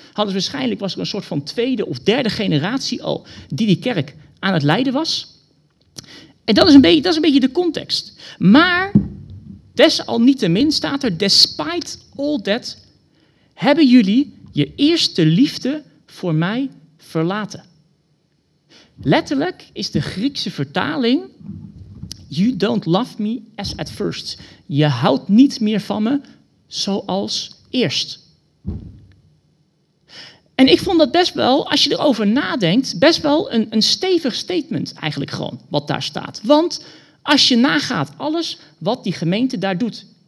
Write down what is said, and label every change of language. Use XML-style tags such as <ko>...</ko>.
<nl>Hadden ze waarschijnlijk, was er een soort van tweede of derde generatie al, die kerk aan het leiden was. En dat is een beetje de context. Maar desalniettemin staat er,</nl> <en>despite all that,</en> <nl>hebben jullie je eerste liefde voor mij verlaten. Letterlijk is de Griekse vertaling,</nl> <en>you don't love me as at first.</en> <nl>Je houdt niet meer van me zoals eerst. En ik vond dat best wel, als je erover nadenkt, best wel een stevig statement eigenlijk gewoon, wat daar staat. Want als je nagaat alles wat die gemeente daar doet.</nl>